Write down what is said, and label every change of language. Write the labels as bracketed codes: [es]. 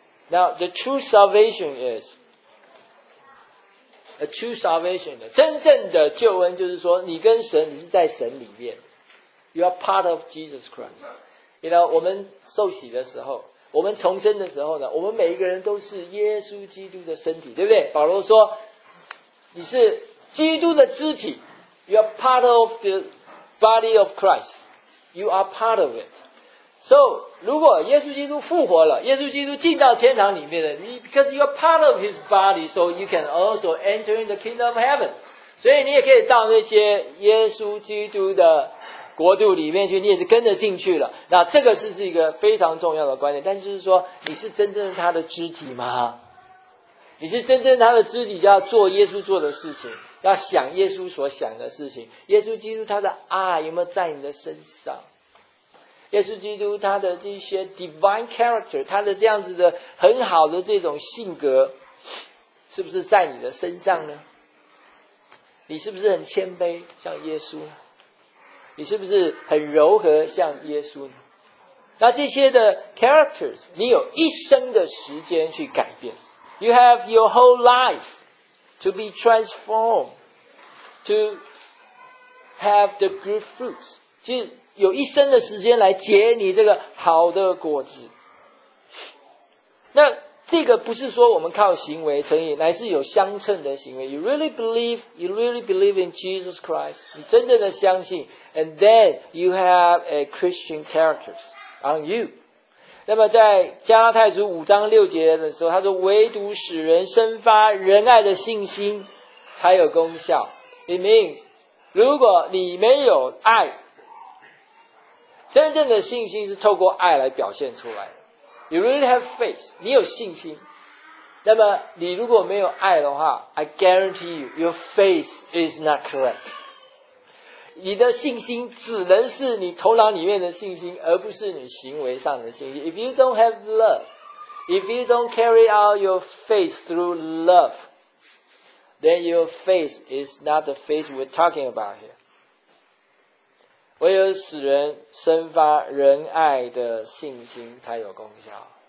[en] Now the true salvation is A true salvation， [zh] 真正的救恩就是说你跟神，你是在神里面， [en] You are part of Jesus Christ. You know, [zh] 我们受洗的时候，我们重生的时候呢，我们每一个人都是耶稣基督的身体，对不对？保罗说，你是基督的肢体。 [en] You are part of the body of Christ. You are part of it. So, [zh] 如果耶稣基督复活了，耶稣基督进到天堂里面了，你 [en] because you are part of his body, so you can also enter in the kingdom of heaven. [zh] 所以你也可以到那些耶稣基督的国度里面去，你也是跟着进去了。那这个是一个非常重要的观点，但是就是说你是真正他的肢体吗？你是真正他的肢体，要做耶稣做的事情，要想耶稣所想的事情，耶稣基督他的爱有没有在你的身上，耶稣基督他的这些 [en] divine character， [zh] 他的这样子的很好的这种性格是不是在你的身上呢？你是不是很谦卑像耶稣？你是不是很柔和像耶稣呢？那这些的 characters， 你有一生的时间去改变。 [en] You have your whole life to be transformed, to have the good fruits. [zh] 就有一生的时间来结你这个好的果子。那这个不是说我们靠行为成义，乃是有相称的行为。 [en] You really believe in Jesus Christ， [zh] 你真正的相信 [en] ，and then you have a Christian characters on you。 [zh] 那么在加拉太书五章六节的时候，他说：“唯独使人生发仁爱的信心，才有功效。 ” [en] It means， [zh] 如果你没有爱，真正的信心是透过爱来表现出来的。 [en] You really have faith， [zh] 你有信心。那么你如果没有爱的话 [en] ，I guarantee you your faith is not correct。 [zh] 你的信心只能是你头脑里面的信心，而不是你行为上的信心。 [en] If you don't have love， if you don't carry out your faith through love， then your faith is not the faith we're talking about here。 [zh] 唯有使人生发仁爱的信心才有功效。